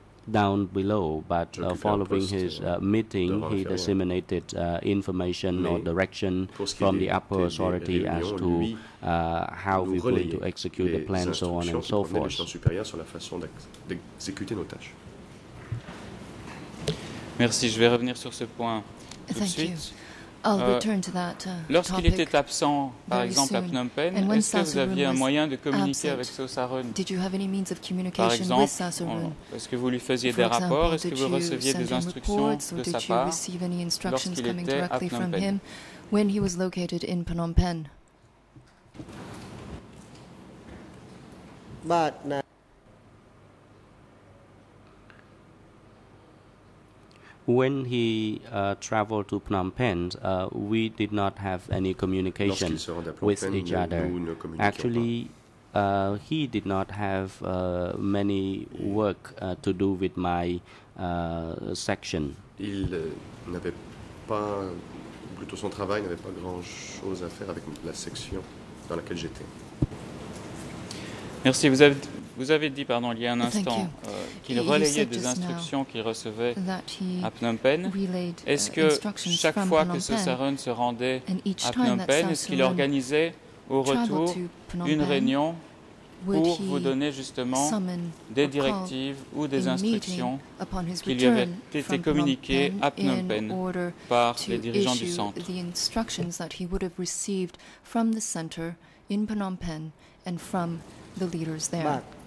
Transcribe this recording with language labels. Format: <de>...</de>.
<en>down below, but following his meeting, he disseminated information or direction from the upper authority as to how we're going to execute the plan, so on and so forth.</en> <fr>Merci, je vais revenir sur ce point tout de suite.</fr> <en>I'll return to that,</en> <fr>lorsqu'il était absent, par exemple, à Phnom Penh, est-ce que vous aviez un moyen de communiquer avec Saw Sarun?</fr> <en>Did you have any means of communication with Saw Sarun?</en> <fr>Par exemple, est-ce que vous lui faisiez des rapports? Est-ce que vous receviez des instructions de sa part lorsqu'il était à Phnom Penh?</fr> <en>When he was located in Phnom Penh. But now. When he traveled to Phnom Penh, we did not have any communication with each other. Actually, he did not have many work to do with my section.</en> <fr>Il n'avait pas, plutôt son travail n'avait pas grand chose à faire avec la section dans laquelle j'étais. Merci. Vous avez dit, pardon, il y a un instant, qu'il relayait des instructions qu'il recevait à Phnom Penh. Est-ce que chaque fois que Saw Sarun se rendait à Phnom Penh, est-ce qu'il organisait au retour une réunion pour vous donner justement des directives ou des instructions qui lui avaient été communiquées à Phnom Penh par les dirigeants du centre?</fr> <en>The instructions that he would have received from the center in Phnom Penh and from the leaders there.</en>